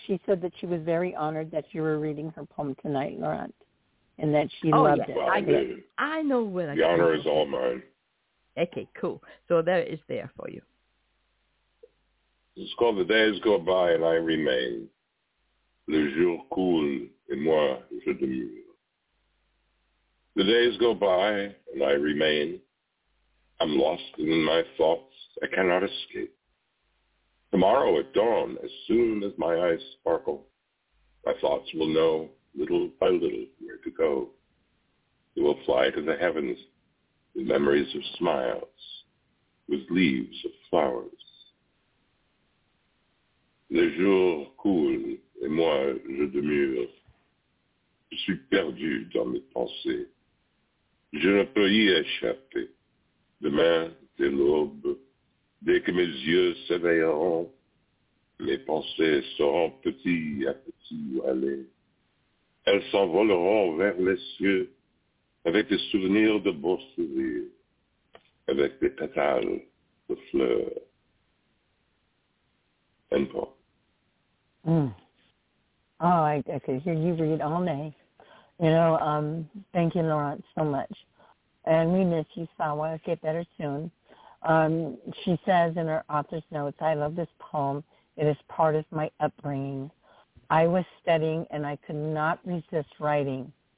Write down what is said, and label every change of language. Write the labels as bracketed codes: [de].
[en] She said that she was very honored that you were reading her poem tonight, Laurent, and that she loved it. Well, I know where I got it. The honor is all mine. Okay, cool. So there it is there for you. It's called The Days Go By and I Remain. [fr] Le jour coule et moi je demeure. [en] The days go by and I remain. I'm lost in my thoughts, I cannot escape. Tomorrow at dawn, as soon as my eyes sparkle, my thoughts will know, little by little, where to go. They will fly to the heavens, with memories of smiles, with leaves of flowers. [fr] Les jours coulent, et moi je demeure. Je suis perdu dans mes pensées. Je ne peux y échapper. Demain, dès l'aube, dès que mes yeux s'éveilleront, mes pensées seront petit à petit aller. Elles s'envoleront vers les cieux avec des souvenirs de beaux sourires, avec des pétales de fleurs. [en] End point. Mm. Oh, I could hear you read all day. You know, thank you, Laurent, so much. And we miss you, Sawa. Get better soon. She says in her author's notes, I love this poem. It is part of my upbringing. I was studying and I could not resist writing.